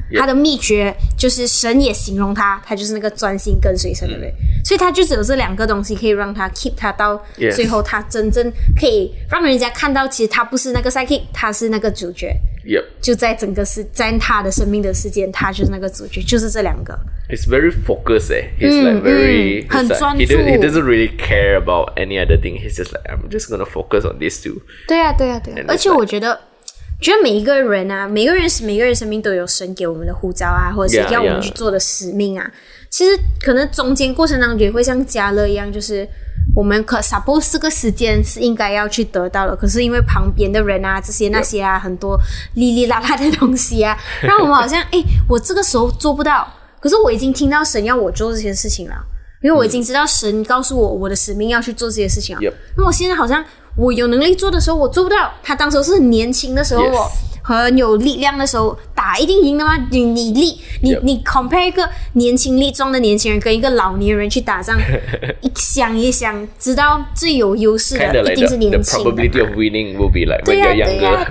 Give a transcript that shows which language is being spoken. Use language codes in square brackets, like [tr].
[zh] 他的秘诀就是神也形容他，他就是那个专心跟随神的人，嗯，所以他就只有这两个东西可以让他 keep 他到最后，他真正可以让人家看到，其实他不是那个 sidekick， 他是那个主角。 [en] Yep， [zh] 就在整个是在他的生命的世界，他就是那个主角，就是这两个。 [en] It's very focused, eh? He's like very, like, [zh] 很专注。 [en] He doesn't really care about any other thing. He's just like, I'm just gonna focus on these two. [zh] 对啊，对啊，对啊。而且我觉得。觉得每一个人啊，每个人生命都有神给我们的呼召啊，或者是要我们去做的使命啊。 [en] Yeah, yeah. [zh] 其实可能中间过程当中也会像加勒一样，就是我们可 suppose 这个时间是应该要去得到的，可是因为旁边的人啊，这些那些啊， [en] yep. [zh] 很多哩哩啦啦的东西啊，让我们好像哎，我这个时候做不到，可是我已经听到神要我做这些事情了，因为我已经知道神告诉我我的使命要去做这些事情了。 [en] Yep. [zh] 那我现在好像。我有能力做的时候我做不到，他当时是很年轻的时候， [en] yes. [zh] 我很有力量的时候打一定赢的吗？你力 你,、 [en] yep. [zh] 你 compare 一个年轻力壮的年轻人跟一个老年人去打仗一想一想知道最有优势的 [en] kind of、like、 [zh] 一定是年轻的 [en] the probability of winning will be like when you're younger